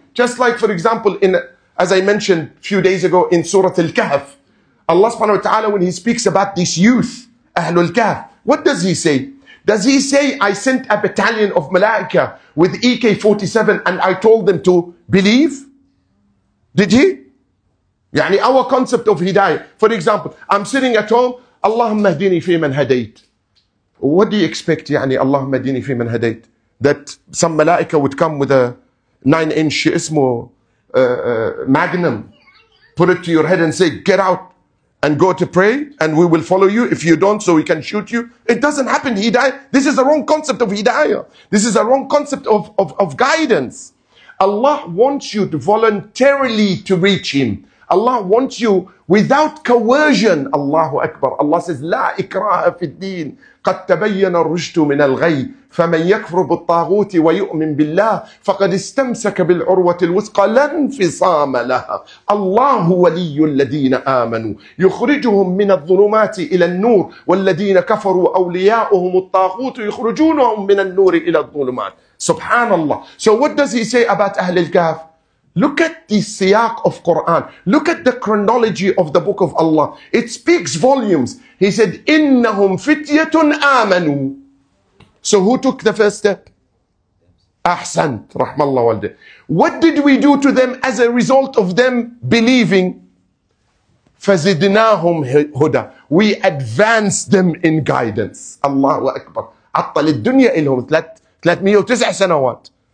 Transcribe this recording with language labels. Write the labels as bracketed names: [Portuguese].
[English] Just like, for example, in, as I mentioned a few days ago in Surah Al-Kahf, Allah subhanahu wa ta'ala, when he speaks about this youth, Ahlul Kahf, what does he say? Does he say, I sent a battalion of Malaika with AK-47 and I told them to believe? Did he? [Arabic] يعني [English] our concept of hidayah. For example, I'm sitting at home, [Arabic] اللهم اهديني في من هديت. [English] What do you expect, [Arabic] يعني اللهم اهديني في من هديت? [English] That some Malaika would come with a 9-inch magnum, put it to your head and say, get out and go to pray and we will follow you if you don't so we can shoot you. It doesn't happen, hidayah. This is a wrong concept of hidayah. This is a wrong concept of guidance. Allah wants you to voluntarily to reach him. Allah wants you without coercion. [Arabic] Allahu Akbar. [English] Allah says, [Arabic] لا إكراه في الدين. قد تبين الرشد من الغي. فمن يكفر بالطاغوت ويؤمن بالله فقد استمسك بالعروة الوثقى لا انفصام لها. الله ولي الذين آمنوا يخرجهم من الظلمات إلى النور والذين كفروا أولياؤهم الطاغوت يخرجونهم من النور إلى الظلمات. سبحان الله. [English] So what does he say about [Arabic] أهل الكهف? [English] Look at the siyaq of Quran. Look at the chronology of the book of Allah. It speaks volumes. He said, [Arabic] إِنَّهُمْ فِتْيَةٌ آمَنُوا. [English] So who took the first step? [Arabic] أحسنت رحم الله والده. [English] What did we do to them as a result of them believing? [Arabic] فَزِدْنَاهُمْ هُدَى. [English] We advanced them in guidance. [Arabic] الله أكبر. عطل الدنيا إلهم 309 سنوات.